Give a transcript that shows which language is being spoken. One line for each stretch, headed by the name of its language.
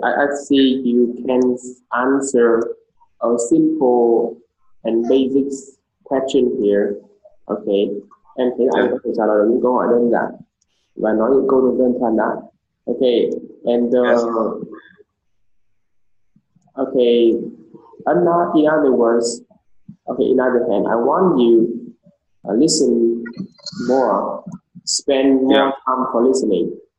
English: I see you can answer a simple and basic question here. Okay.
Vietnamese: Em thấy anh có thể trả lời được những câu hỏi đơn giản và nói những câu đơn thuần đã.
English: Okay, and okay, in other hand, I want you to listen more, spend more time for listening.